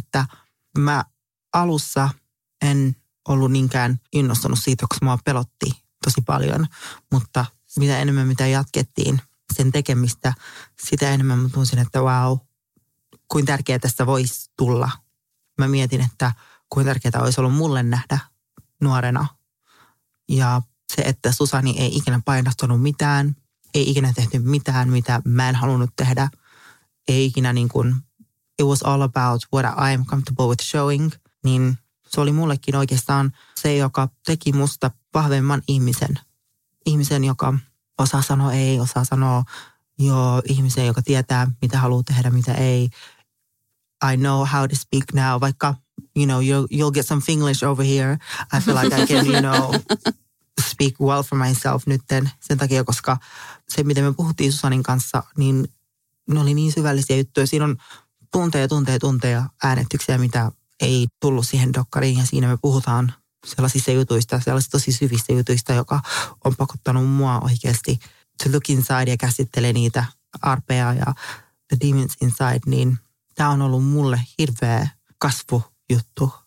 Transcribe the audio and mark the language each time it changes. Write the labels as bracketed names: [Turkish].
[Finnish] Että mä alussa en ollut niinkään innostunut siitä, koska mua pelotti tosi paljon, mutta mitä enemmän mitä jatkettiin sen tekemistä, sitä enemmän mä tunsin, että [English] wow, [Finnish] kuinka tärkeää tästä voisi tulla. Mä mietin, että kuinka tärkeää olisi ollut mulle nähdä nuorena. Ja se, että Susani ei ikinä painostanut mitään, ei ikinä tehty mitään, mitä mä en halunnut tehdä. Ei ikinä niin kuin, [English] it was all about what I am comfortable with showing. [Finnish] Niin se oli mullekin oikeastaan se, joka teki musta vahvemman ihmisen. Ihmisen, joka osaa sanoa ei, osaa sanoa joo, ihmisen, joka tietää, mitä haluaa tehdä, mitä ei. [English] I know how to speak now, [Finnish] vaikka, [English] you know, you'll get some Finglish over here. I feel like I can, you know, speak well for myself [Finnish] nytten. Sen takia, koska se, mitä me puhuttiin Susanin kanssa, niin ne oli niin syvällisiä juttuja. Siinä on tunteja äänestyksiä, mitä ei tullut siihen dokkariin ja siinä me puhutaan sellaisista jutuista, sellaisista tosi syvistä jutuista, joka on pakottanut mua oikeasti [English] to look inside [Finnish] ja käsittelee niitä arpeja ja [English] the demons inside, [Finnish] niin tämä on ollut mulle hirveä kasvujuttu.